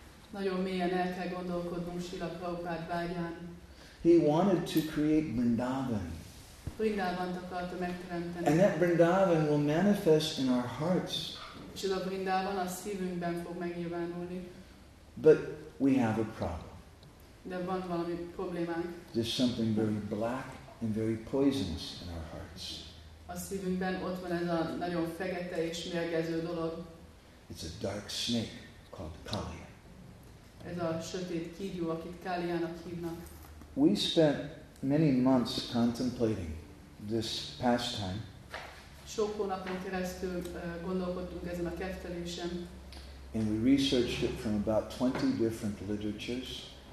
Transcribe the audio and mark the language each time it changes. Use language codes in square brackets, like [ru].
[hu] Nagyon mélyen el kell gondolkodnunk Srila Prabhupada vágyán. [en] He wanted to create Vrindavan. [hu] Vrindavant akarta megteremteni. [en] And that Vrindavan will manifest in our hearts. [hu] És ez a Vrindavan a szívünkben fog megnyilvánulni. [en] But we have a problem. [hu] De van valami problémánk. [en] There's something very black and very poisonous in our hearts. [hu] A szívünkben ott van ez a nagyon fekete és mérgező dolog. [en] It's a dark snake called Kali. [hu] Ez a sötét kígyó, akit Kaliának hívnak. [en] We spent many months contemplating this pastime. [hu] Sok hónapon keresztül gondolkodtunk ezen a kettelésen. [en] And we researched it from about 20 different literatures.